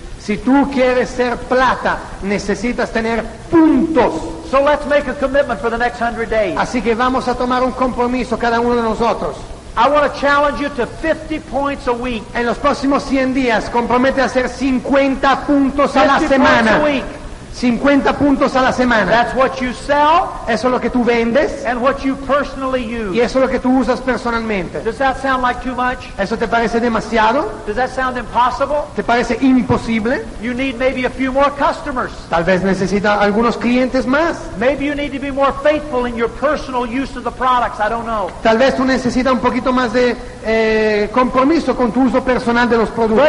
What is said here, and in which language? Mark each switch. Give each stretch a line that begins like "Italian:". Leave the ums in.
Spanish: Si tú quieres ser plata, necesitas tener puntos. Mm -hmm.
English: So let's make a commitment for the next 100 days.
Spanish: Así que vamos a tomar un compromiso cada uno de nosotros.
English: I want to challenge you to 50 points a week.
Spanish: En los próximos 100 días, compromete a hacer 50 puntos a la semana.
English: Points week. a week.
Spanish: 50 puntos a la semana.
English: That's what you sell.
Spanish: Eso es lo que
English: And what you personally use.
Spanish: Y eso es lo que tú usas personalmente.
English: Does that sound like too much?
Spanish: Eso te parece demasiado?
English: Does that sound impossible?
Spanish: Te parece imposible?
English: You need maybe a few more customers.
Spanish: Tal vez necesita algunos clientes más.
English: Maybe you need to be more faithful in your personal use of the products. I don't know.
Spanish: Tal vez tú necesitas un poquito más de eh, compromiso con tu uso personal de los productos.